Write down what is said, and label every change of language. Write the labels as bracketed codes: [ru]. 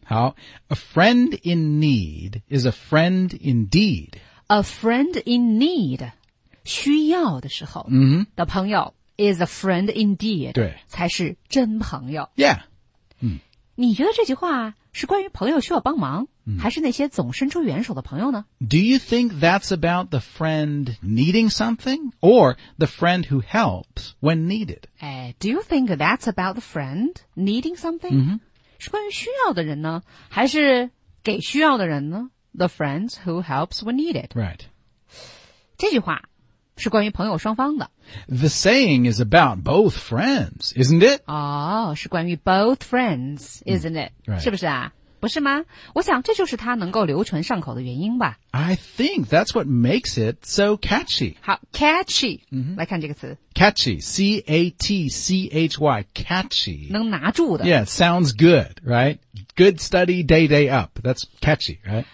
[en] 好 A friend in need is a friend indeed. A friend in need. [zh] 需要的时候、 mm-hmm. 的朋友 [en] is a friend indeed. [zh] 对。才是真朋友。 [en] Yeah. [zh] 你觉得这句话是关于朋友需要帮忙、嗯、还是那些总伸出援手的朋友呢 [en] Do you think that's about the friend needing something or the friend who helps when needed? Do you think that's about the friend needing something?、 Mm-hmm. [zh] 是关于需要的人呢还是给需要的人呢 [en] The friends who helps when needed. Right. [zh] 这句话是关于朋友双方的。 [en] The saying is about both friends, isn't it? Oh, [zh] 是关于 [en] both friends, isn't it?、 Right. [zh] 是不是啊不是吗？我想这就是它能够留存上口的原因吧。 [en] I think that's what makes it so catchy. [zh] 好 ,catchy,、mm-hmm. 来看这个词。 [en] catchy, C-A-T-C-H-Y, catchy. [zh] 能拿住的。 [en] Yeah, sounds good, right? Good study, day day up, that's catchy, right?